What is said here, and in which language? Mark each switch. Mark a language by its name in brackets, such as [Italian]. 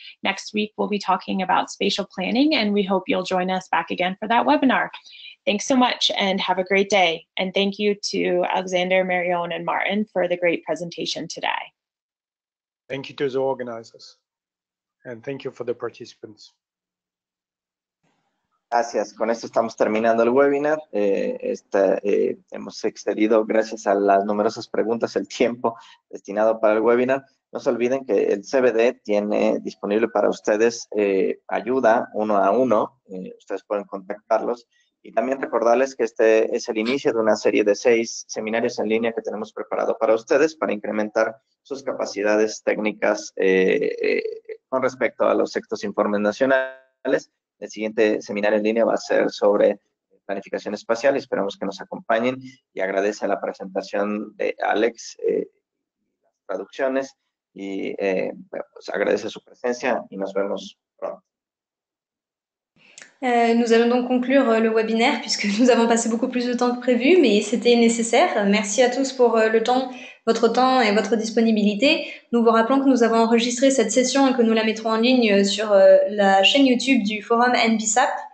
[English] Next week, we'll be talking about spatial planning, and we hope you'll join us back again for that webinar. Thanks so much and have a great day. And thank you to Alexander, Marion, and Martin for the great presentation today. Thank you to the organizers, and thank you for the participants. [Spanish] Gracias. Con esto estamos terminando el webinar. Hemos excedido, gracias a las numerosas preguntas, el tiempo destinado para el webinar. No se olviden que el CBD tiene disponible para ustedes ayuda uno a uno. Ustedes pueden contactarlos. Y también recordarles que este es el inicio de una serie de 6 seminarios en línea que tenemos preparado para ustedes para incrementar sus capacidades técnicas con respecto a los sextos informes nacionales. El siguiente seminario en línea va a ser sobre planificación espacial. Esperamos que nos acompañen y agradece la presentación de Alex, las traducciones, y pues agradece su presencia y nos vemos pronto. [French] Nous allons donc conclure le webinaire puisque nous avons passé beaucoup plus de temps que prévu, mais c'était nécessaire. Merci à tous pour le temps, votre temps et votre disponibilité. Nous vous rappelons que nous avons enregistré cette session et que nous la mettrons en ligne sur la chaîne YouTube du forum NBSAP.